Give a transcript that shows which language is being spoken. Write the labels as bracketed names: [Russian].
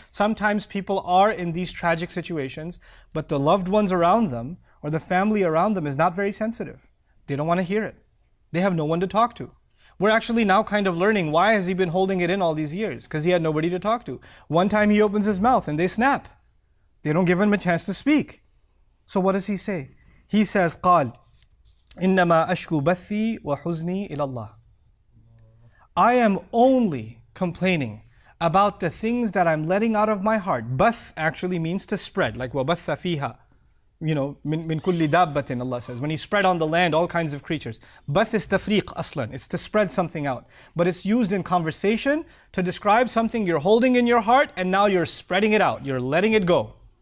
[English] Sometimes people are in these tragic situations, but the loved ones around them or the family around them is not very sensitive. They don't want to hear it. They have no one to talk to. We're actually now kind of learning, why has he been holding it in all these years? Because he had nobody to talk to. One time he opens his mouth and they snap. They don't give him a chance to speak. So what does he say? He says, [Arabic] قال إنما أشكو بثي وحزني إلى الله. [English] I am only complaining about the things that I'm letting out of my heart. Bath actually means to spread, like [Arabic] وبث فيها. [English] You know, [Arabic] من كل دابة, [English] Allah says. When he spread on the land all kinds of creatures. Bath is tafriq aslan. It's to spread something out. But it's used in conversation to describe something you're holding in your heart and now you're spreading it out. You're letting it go.